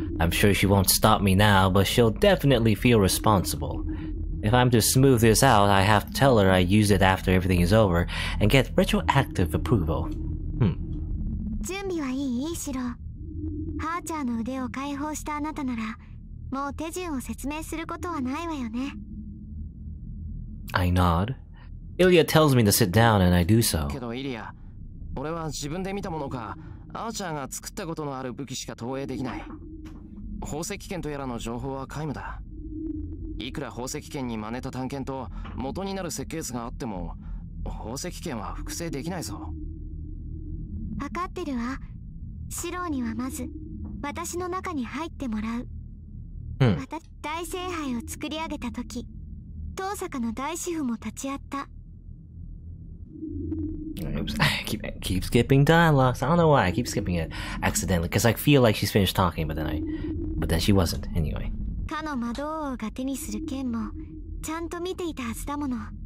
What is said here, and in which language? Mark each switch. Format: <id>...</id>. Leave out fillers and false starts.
<en>I'm sure she won't stop me now, but she'll definitely feel responsible. If I'm to smooth this out, I have to tell her I use it after everything is over and get retroactive approval.</en> <ja>準備はいい、イーシロー。ハーチャーの腕を解放したあなたなら、もう手順を説明することはないわよね。</ja> <en>I nod. Ilya tells me to sit down and I do so.</en> <ja>けど、イリア、俺は自分で見たものか、アーチャーが作ったことのある武器しか投影できない。宝石剣とやらの情報は皆無だ。いくら宝石剣に真似た探検と元になる設計図があっても、宝石剣は複製できないぞ。わかってるわ。シローにはまず、私の中に入ってもらう。また、大聖杯を作り上げたとき、東坂の大師父も立ち会った。</ja> <en>I keep skipping dialogues. I don't know why I keep skipping it accidentally because I feel like she's finished talking, but then she wasn't. Anyway.</en> <ja>かの魔導王が手にする剣もちゃんと見ていたはずだもの。</ja>